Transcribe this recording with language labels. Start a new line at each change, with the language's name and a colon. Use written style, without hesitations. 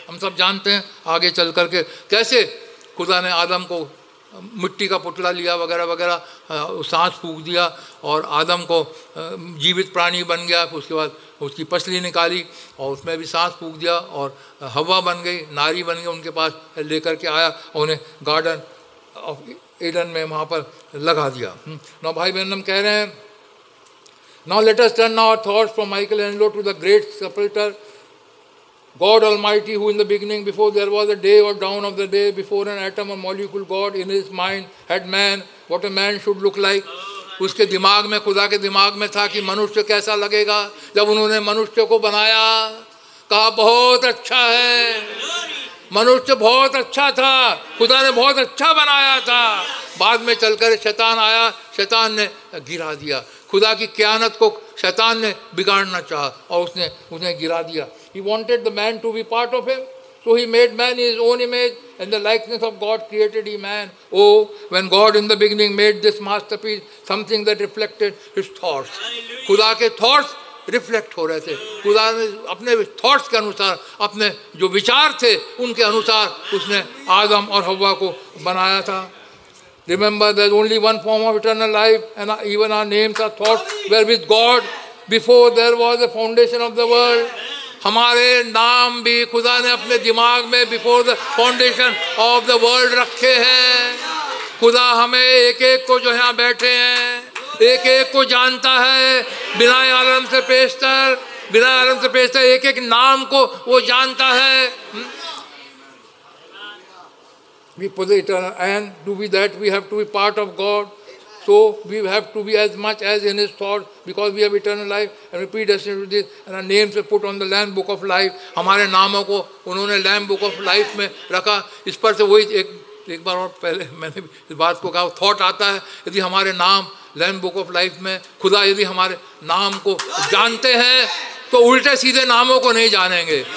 Hindi: हम सब जानते हैं आगे चल करके कैसे खुदा ने आदम को मिट्टी का पुतला लिया वगैरह वगैरह, सांस फूंक दिया और आदम को जीवित प्राणी बन गया. उसके बाद उसकी पसली निकाली और उसमें भी सांस फूंक दिया और हवा बन गई, नारी बन गई, उनके पास लेकर के आया और उन्हें गार्डन ऑफ एडन में वहाँ पर लगा दिया. नौ भाई बहन हम कह रहे हैं,
English: Now let us turn our thoughts from Michelangelo to the great sculptor God Almighty, who in the beginning, before there was a day or dawn of the day, before an atom or molecule, God in his mind had man, what a man should look like.
Hindi: उसके दिमाग में, खुदा के दिमाग में था कि मनुष्य कैसा लगेगा. जब उन्होंने मनुष्य को बनाया, कहा बहुत अच्छा है. मनुष्य बहुत अच्छा था, खुदा ने बहुत अच्छा बनाया था. बाद में चलकर शैतान आया, शैतान ने गिरा दिया. खुदा की कियानत को शैतान ने बिगाड़ना चाहा और उसने उन्हें गिरा दिया.
English: He wanted the man to be part of him, so he made man in his own image and the likeness of God created he man. Oh, when God in the beginning made this masterpiece, something that reflected his thoughts. Hallelujah.
Hindi: खुदा के
English: thoughts
Hindi: reflect हो रहे थे, खुदा ने अपने thoughts के अनुसार, अपने जो विचार थे उनके अनुसार उसने आदम और हव्वा को बनाया था.
English: Remember there is only one form of eternal life and even our names are thought were with God before there was a foundation of the world.
Hindi: हमारे नाम भी खुदा ने अपने दिमाग में
English: before the foundation of the world
Hindi: रखे हैं. खुदा हमें एक एक को जो यहाँ बैठे हैं एक एक को जानता है, बिना आलम से पेशतर, बिना आलम से पेशतर एक एक नाम को वो जानता है.
English: We posit and do we that we have to be part of God. So we have to be as much as in His thought because we have eternal life and we predestined to this and our names were put on the Lamb Book of Life.
Hindi: हमारे नामों को उन्होंने Lamb Book of Life में रखा. इस पर से वही एक बार और पहले मैंने इस बात को कहा, thought आता है यदि हमारे नाम Lamb Book of Life में, खुदा यदि हमारे नाम को जानते हैं तो उल्टे सीधे नामों को नहीं जानेंगे.